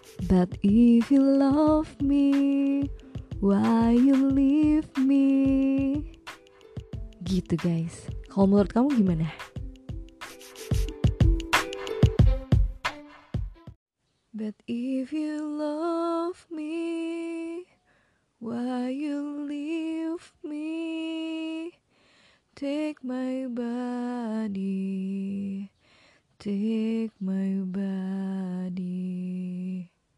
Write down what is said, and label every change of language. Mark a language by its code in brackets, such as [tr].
[en] But if you love me, why you leave me? [id] Gitu guys, kalau menurut kamu gimana? [en] But if you love me, why you leave me? Take my body, take my body.